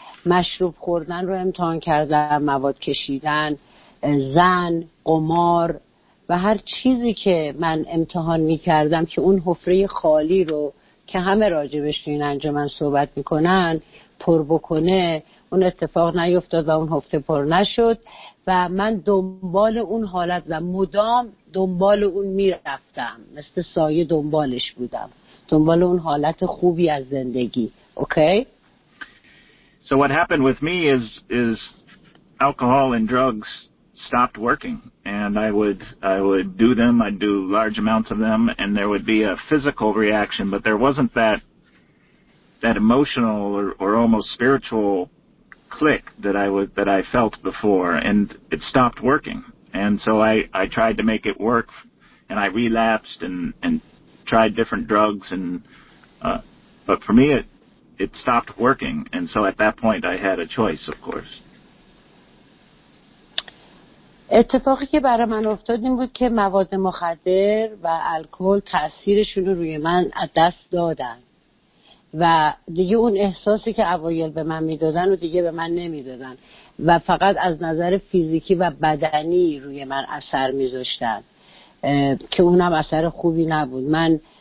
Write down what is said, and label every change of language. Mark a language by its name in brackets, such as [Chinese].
[Persian] مشروب خوردن رو امتحان کردم، مواد کشیدن، زن، قمار و هر چیزی که من امتحان میکردم که اون حفره خالی رو که همه راجبش تو این انجمن صحبت میکنن پر بکنه، اون اتفاق نیفتاد و اون حفره پر نشد و من دنبال اون حالت و مدام دنبال اون میرفتم، مثل سایه دنبالش بودم، دنبال اون حالت خوبی از زندگی. اوکی؟ [English] So what happened with me is alcohol and drugs stopped working, and I would do them, I'd do large amounts of them, and there would be a physical reaction, but there wasn't that emotional or almost spiritual click that I felt before, and it stopped working. And so I tried to make it work, and I relapsed and tried different drugs, and but for me it stopped working. And so at that point I had a choice, of course. [Persian] اتفاقی که برای من افتاد این بود که مواد مخدر و الکل تاثیرشون رو روی من از دست دادن و دیگه اون احساسی که اوایل به من میدادن و دیگه به من نمیدادن و فقط از نظر فیزیکی و بدنی روی من اثر میذاشتن که اونم اثر خوبی نبود. من